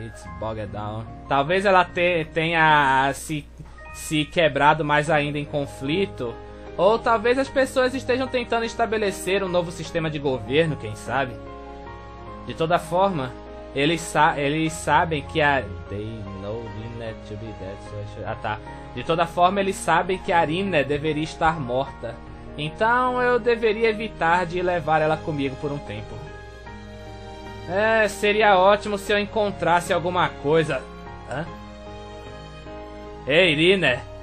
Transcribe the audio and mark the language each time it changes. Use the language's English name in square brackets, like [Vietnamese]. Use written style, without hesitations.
[English] It's bogged down. [Portuguese] Talvez ela tenha se quebrado mais ainda em conflito. Ou talvez as pessoas estejam tentando estabelecer um novo sistema de governo, quem sabe? De toda forma, eles sabem que a... [English] They know Rinne to be dead, so I should... [Portuguese] Ah, tá. De toda forma, eles sabem que a Rinne deveria estar morta. Então, eu deveria evitar de levar ela comigo por um tempo. É, seria ótimo se eu encontrasse alguma coisa. Hã? Ei, Rinne.